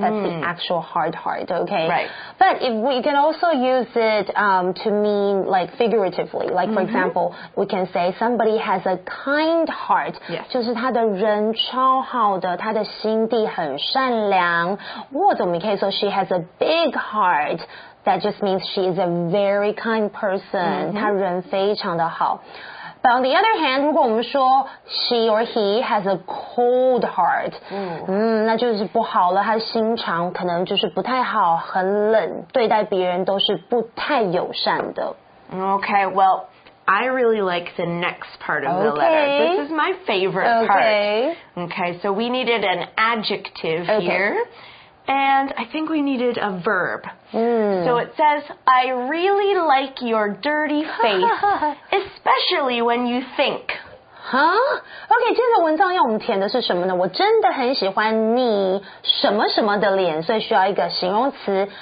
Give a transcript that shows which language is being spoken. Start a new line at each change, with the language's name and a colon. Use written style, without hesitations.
English: That's the actual hard heart. OK. Right. But if we can also use it to mean like figuratively, like for example, we can say somebody has a kind heart. Yes.
Chinese: 就是他的人超好的，他的心地很善良。或者我们可以说
English: she has a big heart. That just means she is a very kind person.
Chinese: 她人非常的好。
English: But on the other hand,
Chinese: 如果我们说
English: she or he has a cold heart,
Chinese: 那就是不好了，他的心肠可能就是不太好，很冷，对待别人都是不太友善的。
English: Okay, well. I really like the next part of the letter. This is my favorite part. Okay, so we needed an adjective here. And I think we needed a verb. So it says, I really like your dirty face, especially when you think.
Chinese: Huh? Okay, 这个文章要我们填的是什么呢？我真的很喜欢你什么什么的脸，所以需要一个形容词。